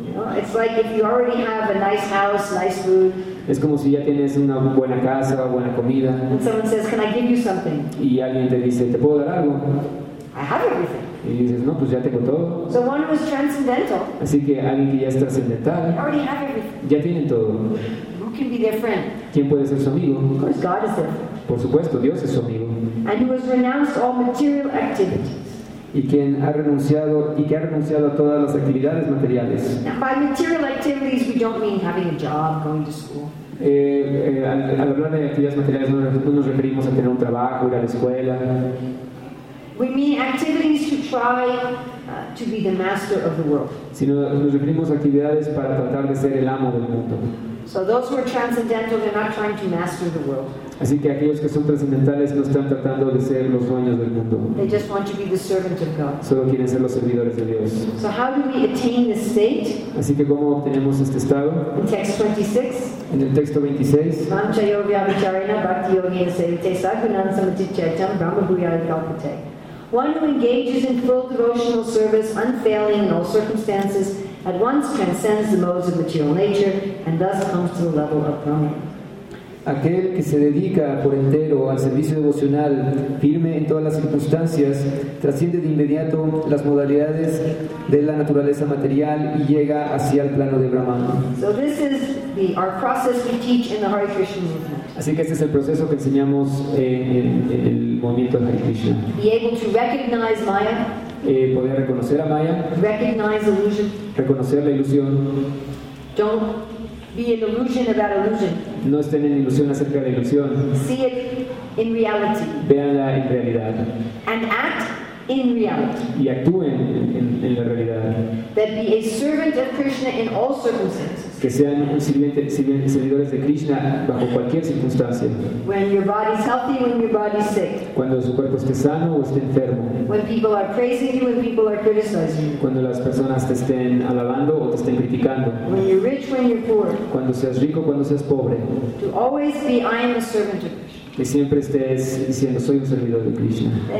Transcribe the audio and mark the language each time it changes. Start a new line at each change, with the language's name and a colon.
English: You know, it's like if you already have a nice house, nice food.
Spanish: Es como si ya tienes una buena casa, buena comida.
English: And someone says, "Can I give you something?"
Spanish: Y alguien te dice, "¿Te puedo dar algo?"
English: I have everything.
Spanish: Y dices, "No, pues ya tengo todo."
English: So one who is transcendental.
Spanish: Así que alguien que ya es trascendental.
English: You already have everything.
Spanish: Ya tienen todo.
English: Who can be their friend?
Spanish: ¿Quién puede ser su amigo?
English: Of course, God is their friend.
Spanish: Por supuesto, Dios es su amigo.
English: And who has renounced all material activities.
Spanish: y que ha renunciado a todas las actividades materiales.
English: By material activities, we don't mean having a job, going to school.
Spanish: Al hablar de actividades materiales, no nos referimos a tener un trabajo, ir a la escuela.
English: We mean activities to try to be the master of the world.
Spanish: Sino nos referimos a actividades para tratar de ser el amo del mundo.
English: So those who are transcendental, they're not trying to master the world.
Spanish: Así que aquellos que son trascendentales no están tratando de ser los dueños del mundo.
English: They just want to be the servant of God.
Spanish: Solo quieren ser los servidores de Dios.
English: So how do we attain this state?
Spanish: Así que ¿cómo obtenemos este estado?
English: In text 26.
Spanish: En el texto 26.
Sanskrit: Mancha yoga vicharina bhakti yoga sevite sakunam samatichetam brahma bhuyaya kalpate.
English: One who engages in full devotional service, unfailing in all circumstances, at once transcends the modes of material nature and thus comes to the level of Brahman.
Spanish: Aquel que se dedica por entero al servicio devocional, firme en todas las circunstancias, trasciende de inmediato las modalidades de la naturaleza material y llega hacia el plano de Brahman.
English: So this is our process we teach in the Hare Krishna movement.
Spanish: Así que este es el proceso que enseñamos en el movimiento de Hare Krishna.
English: Be able to recognize Maya.
Spanish: Poder reconocer a Maya.
English: Recognize illusion.
Spanish: Reconocer la ilusión.
English: Don't be an illusion about illusion.
Spanish: No estén en ilusión acerca de ilusión.
English: See it in reality.
Spanish: Véanla en realidad.
English: And act in reality.
Spanish: Y actúen en la realidad.
English: That be a servant of Krishna in all circumstances.
Spanish: Que sean servidores de Krishna bajo cualquier circunstancia.
English: When your body's healthy, when your body's sick.
Spanish: Cuando su cuerpo esté sano o esté enfermo.
English: When people are praising you, when people are criticizing you.
Spanish: Cuando las personas te estén alabando o te estén criticando.
English: When you're rich, when you're poor.
Spanish: Cuando seas rico, cuando seas pobre.
English: To always be, I am a servant of Krishna.
Spanish: Que siempre estés diciendo, soy un servidor de Krishna.